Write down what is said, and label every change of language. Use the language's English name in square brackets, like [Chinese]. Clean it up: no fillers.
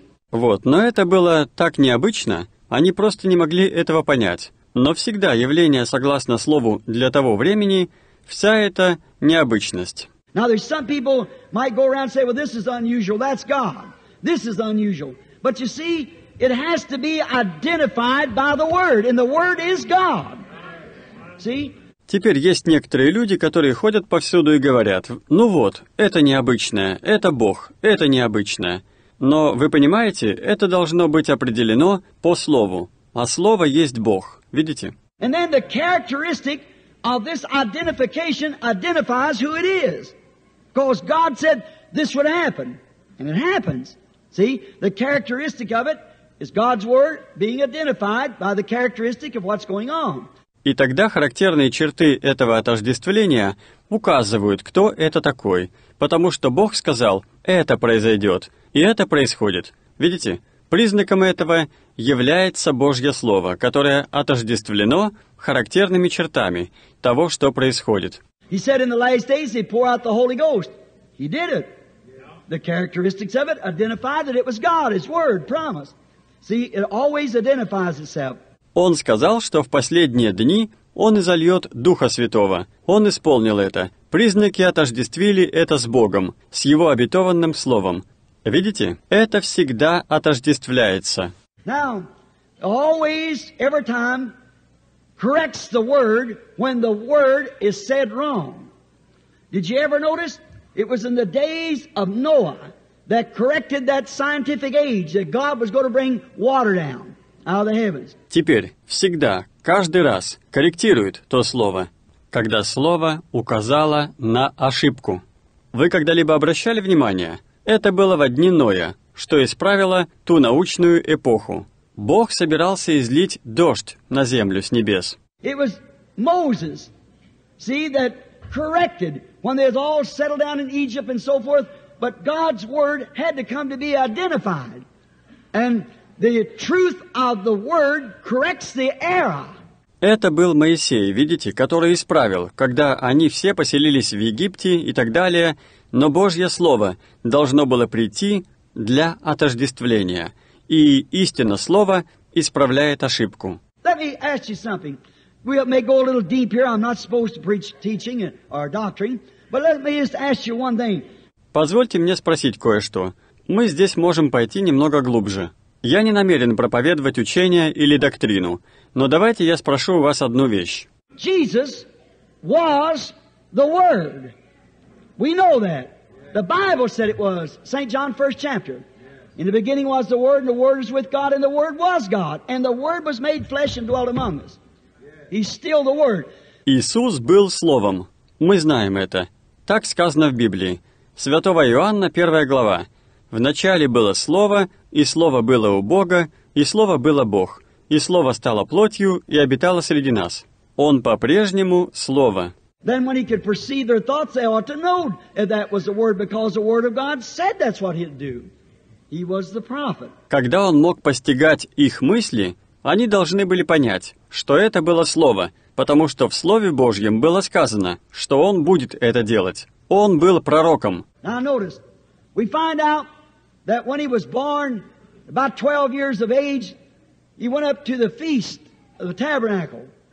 [Russian] Вот, но это было так необычно, они просто не могли этого понять. Но всегда явление согласно слову для того времени, вся эта необычность. [English] Now there's some people might go around and say, well, this is unusual, that's God. This is unusual. But you see, it has to be identified by the Word, and the Word is God. See? [Russian] Теперь есть некоторые люди, которые ходят повсюду и говорят, ну вот, это необычное, это Бог, это необычное. Но вы понимаете, это должно быть определено по слову, а слово есть Бог, видите? [English] And then the characteristic of this identification identifies who it is. Because God said this would happen, and it happens. See, the characteristic of it is God's Word being identified by the characteristic of what's going on. [Russian] И тогда характерные черты этого отождествления указывают, кто это такой, потому что Бог сказал, это произойдет, и это происходит. Видите, признаком этого является Божье Слово, которое отождествлено характерными чертами того, что происходит. [English] He said in the last days he'd pour out the Holy Ghost. He did it. The characteristics of it identify that it was God, His Word, promised. See, it always identifies itself. [Russian] Он сказал, что в последние дни он изольет Духа Святого. Он исполнил это. Признаки отождествили это с Богом, с Его обетованным Словом. Видите, это всегда отождествляется. [English] Now, always, every time, corrects the word when the word is said wrong. Did you ever notice? It was in the days of Noah that corrected that scientific age that God was going to bring water down. [Russian] Теперь, всегда, каждый раз корректирует то слово, когда слово указало на ошибку. Вы когда-либо обращали внимание? Это было во дни Ноя, что исправило ту научную эпоху. Бог собирался излить дождь на землю с небес. [English] It was Moses, see, that corrected when they all settled down in Egypt and so forth, but God's word had to come to be identified. And the truth of the word corrects the error. [Russian] Это был Моисей, видите, который исправил, когда они все поселились в Египте и так далее, но Божье Слово должно было прийти для отождествления, и истина Слова исправляет ошибку. [English] Let me ask you something. We may go a little deep here. I'm not supposed to preach teaching or doctrine, but let me just ask you one thing. [Russian] Позвольте мне спросить кое-что. Мы здесь можем пойти немного глубже. Я не намерен проповедовать учение или доктрину, но давайте я спрошу у вас одну вещь. [English] Jesus was the Word. We know that. The Bible said it was. St. John, first chapter. In the beginning was the Word, and the Word was with God, and the Word was God. And the Word was made flesh and dwelt among us. He's still the Word. [Russian] Иисус был Словом. Мы знаем это. Так сказано в Библии. Святого Иоанна, первая глава. В начале было Слово, и Слово было у Бога, и Слово было Бог, и Слово стало плотью и обитало среди нас. Он по-прежнему Слово. [English] Then when he could perceive their thoughts, they ought to know that was the Word, because the Word of God said that's what he'd do. He was the prophet. [Russian] Когда он мог постигать их мысли, они должны были понять, что это было Слово, потому что в Слове Божьем было сказано, что он будет это делать. Он был пророком. [English] Now notice. We find out that when he was born, about 12 years of age, he went up to the feast of the tabernacle.